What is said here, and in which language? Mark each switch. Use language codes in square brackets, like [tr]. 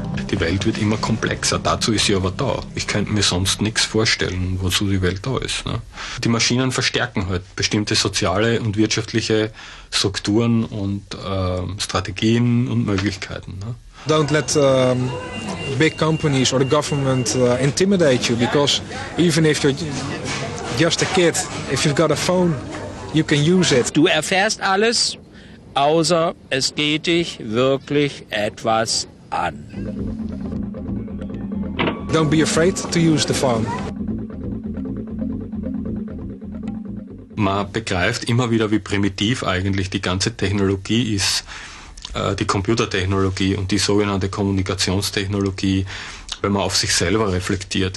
[de] Die Welt wird immer komplexer, dazu ist sie aber da. Ich könnte mir sonst nichts vorstellen, wozu die Welt da ist. Ne? Die Maschinen verstärken halt bestimmte soziale und wirtschaftliche Strukturen und Strategien und Möglichkeiten. Ne? [en] Don't let big companies or the government intimidate you, because even if you're just a kid, if you've got a phone, you can use it. [de] Du erfährst alles, außer es geht dich wirklich etwas an. [en] Don't be afraid to use the phone. [de] Man begreift immer wieder, wie primitiv eigentlich die ganze Technologie ist, die Computertechnologie und die sogenannte Kommunikationstechnologie, wenn man auf sich selber reflektiert.